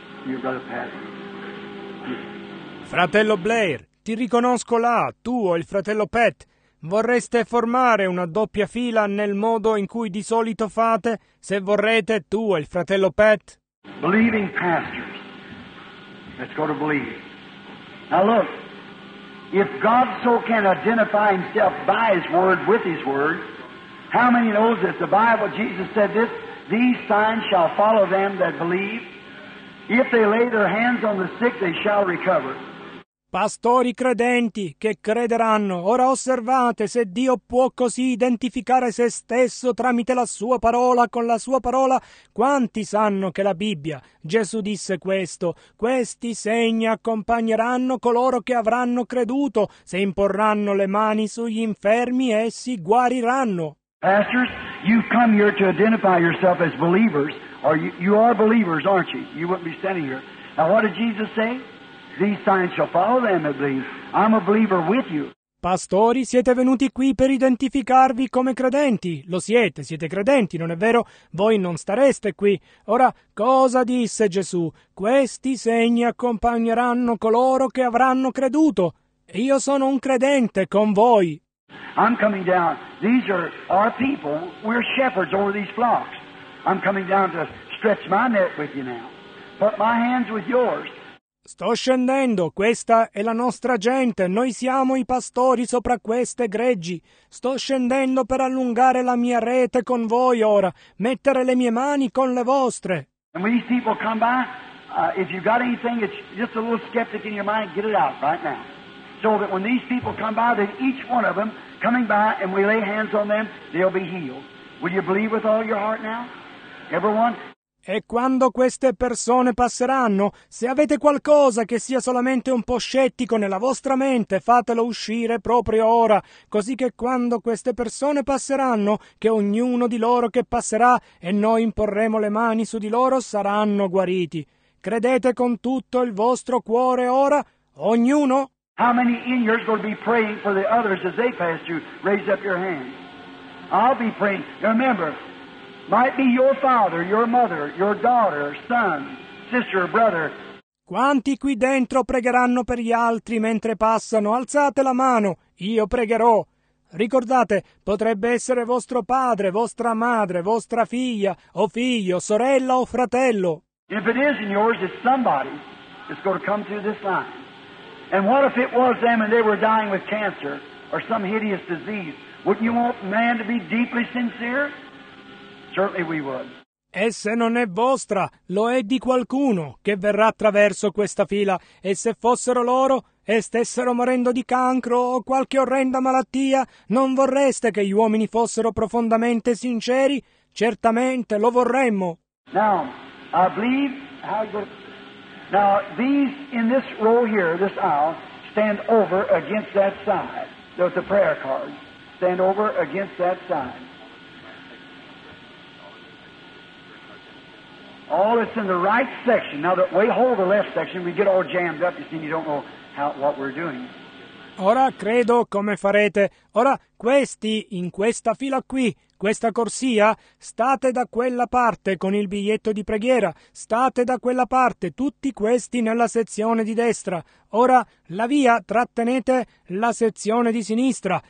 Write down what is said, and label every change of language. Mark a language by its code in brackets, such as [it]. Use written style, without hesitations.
[en] You're Brother Pat. [it] Fratello Blair, ti riconosco là, tu o il fratello Pat. Vorreste formare una doppia fila nel modo in cui di solito fate? Se vorrete, tu e il fratello Pat. [en] Believing pastors, let's go to believe. Now look, if God so can identify himself by his word with his word, how many knows this? The Bible, Jesus said this, these signs shall follow them that believe. If they lay their hands on the sick, they shall recover. [it] Pastori credenti che crederanno, ora osservate se Dio può così identificare se stesso tramite la sua parola, con la sua parola, quanti sanno che la Bibbia, Gesù disse questo, questi segni accompagneranno coloro che avranno creduto, se imporranno le mani sugli infermi essi guariranno. [en] Pastors, you've come here to identify yourself as believers, or you are believers, aren't you? You wouldn't be standing here. Now what did Jesus say? These signs shall follow them that believe. I'm a believer with you. [it] Pastori, siete venuti qui per identificarvi come credenti. Lo siete, siete credenti, non è vero? Voi non stareste qui. Ora, cosa disse Gesù? Questi segni accompagneranno coloro che avranno creduto. Io sono un credente con voi. [en] I'm coming down. These are our people. We're shepherds over these flocks. I'm coming down to stretch my net with you now. Put my hands with yours. [it] Sto scendendo, questa è la nostra gente, noi siamo i pastori sopra queste greggi. Sto scendendo per allungare la mia rete con voi ora, mettere le mie mani con le vostre. [en] And when these people come by, if you've got anything, it's just a little skeptic in your mind, get it out right now. So that when these people come by, that each one of them coming by and we lay hands on them, they'll be healed. Will you believe with all your heart now? Everyone? [it] E quando queste persone passeranno, se avete qualcosa che sia solamente un po' scettico nella vostra mente, fatelo uscire proprio ora, così che quando queste persone passeranno, che ognuno di loro che passerà e noi imporremo le mani su di loro saranno guariti. Credete con tutto il vostro cuore ora, ognuno? [en] How many in here are going to be praying for the others as they pass you? Raise up your hand. I'll be praying. Remember, might be your father, your mother, your daughter, son, sister, or brother. [it] Quanti qui dentro pregheranno per gli altri mentre passano? Alzate la mano, io pregherò. Ricordate, potrebbe essere vostro padre, vostra madre, vostra figlia, o figlio, sorella o fratello. [en] If it isn't yours, it's somebody that's going to come through this line. And what if it was them and they were dying with cancer or some hideous disease? Wouldn't you want man to be deeply sincere? Certainly we would. [it] E se non è vostra, lo è di qualcuno che verrà attraverso questa fila. E se fossero loro e stessero morendo di cancro o qualche orrenda malattia, non vorreste che gli uomini fossero profondamente sinceri? Certamente lo vorremmo. [en] Now, I believe how you... Now, these in this row here, this aisle, stand over against that side. There's the prayer card. Stand over against that side. All that's in the right section. Now that we hold the left section, we get all jammed up. You see, you don't know what we're doing. [it] Ora credo come farete. Ora questi in questa fila qui, questa corsia, state da quella parte con il biglietto di preghiera. State da quella parte, tutti questi nella sezione di destra. Ora la via, trattenete la sezione di sinistra.